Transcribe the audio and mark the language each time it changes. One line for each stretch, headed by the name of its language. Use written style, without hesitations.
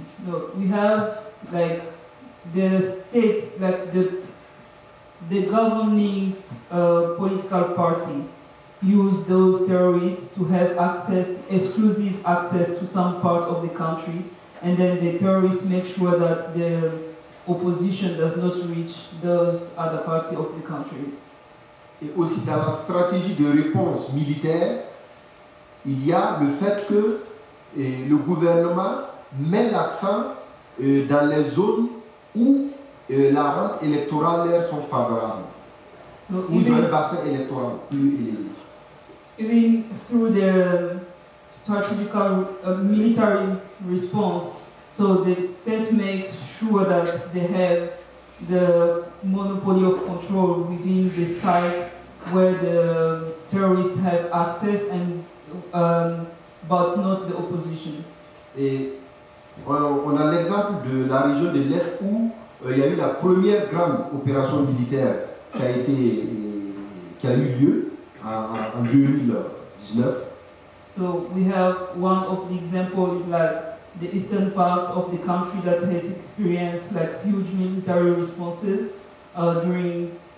English: No, we have like the state, like the governing political party use those terrorists to have exclusive access to some parts of the country, and then the terrorists make sure that the opposition does not reach those other parts of the countries.
French: Et aussi dans la stratégie de réponse militaire, il y a le fait que le gouvernement met l'accent dans les zones où la rente électorale sont favorables. Donc, ou dans le bassin électoral plus élevé.
English: Even through the strategic military response, so the state makes sure that they have the monopoly of control within the sites where the terrorists have access, and but not the opposition.
French: Et on a l'exemple de la région de l'Est où il y a eu la première grande opération militaire qui a été qui a eu lieu en 2019.
English: So we have one of the examples is like the eastern part of the country that has experienced like huge military responses during